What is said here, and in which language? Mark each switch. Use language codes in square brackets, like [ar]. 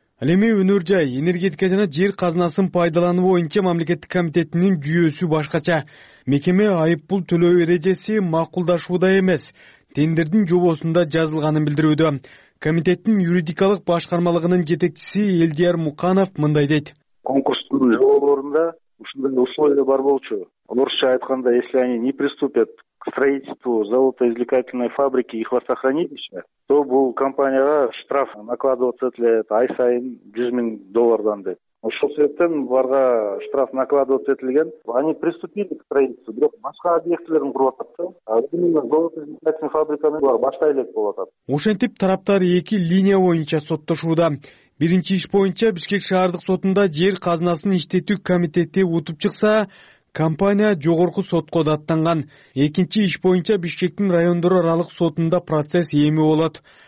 [ky] Ал эми өнөр жай, энергетика жана жер казынасын пайдалануу боюнча мамлекеттик комитетинин жүйөсү башкача. Мекеме айып пул төлөө эрежеси макулдашууда эмес, тендердин жобосунда жазылганын билдирүүдө. Комитеттин юридикалык башкармалыгынын жетекчиси Элдияр Муканов мындай дейт. Конкурстун жоболорунда ушундай условия бар болчу. [ru] Орусча айтканда, если они не приступят к строительству золотоизвлекательной фабрики и хвостохранилища, то был компания штраф накладываться для ай сайын 100 миллион доллардан деп. [ky] Ошол себептен буларга штраф накладываться этилген. Они приступили к строительству, бирок башка объектилерин куруп атат да. А именно золотоизвлекательная фабрика булар баштай элек болуп атат. Ошентип тараптар эки линия боюнча соттошууда. Биринчи иш боюнча Бишкек шаардык сотунда жер казынасын иштетүү комитети утуп чыкса, компания жогорку сотко даттанган. Экинчи иш боюнча Бишкектин райондор аралык сотунда процесс эми болот.